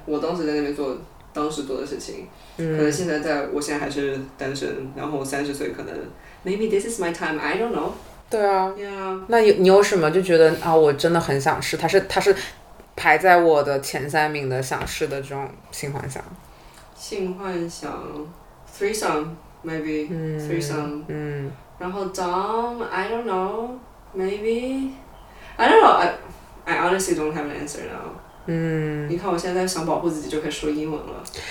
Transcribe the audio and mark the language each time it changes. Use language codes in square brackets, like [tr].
[zh] 我当时在那边做当时做的事情、嗯、可能现在在我现在还是单身，然后三十岁可能 [en] Maybe this is my time I don't know。 [zh] 对啊， yeah. 那你有什么就觉得啊，我真的很想试？它是排在我的前三名的想试的这种性幻想。性幻想 ，threesome maybe， threesome，嗯， [en] 然后 dom I don't know maybe I don't know I honestly don't have an answer now。嗯， [zh] 你看我现在想保护自己就可以说英文了。